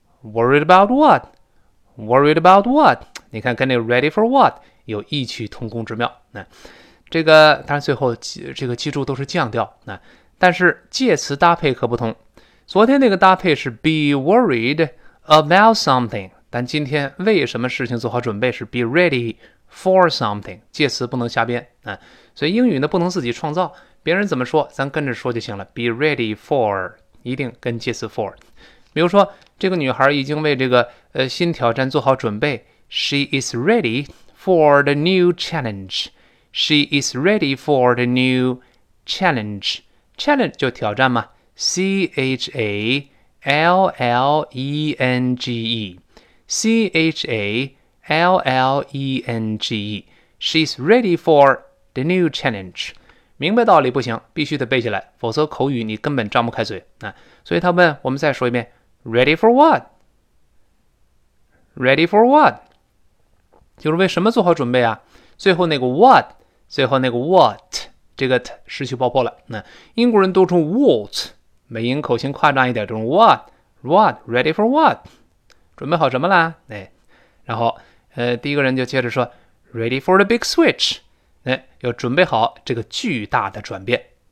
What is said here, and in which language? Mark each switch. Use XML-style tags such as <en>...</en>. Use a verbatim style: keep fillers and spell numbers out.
<zh>worried about what worried about what，你看跟那 ready for what 有异曲同工之妙、嗯、这个当然最后这个记住都是降调、嗯、但是介词搭配可不同，昨天那个搭配是 be worried about something，但今天为什么事情做好准备是 be ready for something，介词不能瞎编、啊、所以英语呢不能自己创造，别人怎么说咱跟着说就行了， be ready for 一定跟介词 for。比如说这个女孩已经为这个、呃、新挑战做好准备， she is ready for the new challenge she is ready for the new challenge challenge 就挑战嘛， C H A L L E N G E C H A L L E N G E She's ready for the new challenge。明白道理不行，必须得背下来，否则口语你根本张不开嘴、啊、所以他问，我们再说一遍 Ready for what?</zh> <en>Ready for what?</en> <zh>就是为什么做好准备啊，最后那个 what 最后那个 what 这个 t 失去爆破了、啊、英国人读出 what，美音口型夸张一点，这种 what what ready for what 准备好什么啦、哎、然后、呃、第一个人就接着说 ready for the big switch、哎、要准备好这个巨大的转变</zh>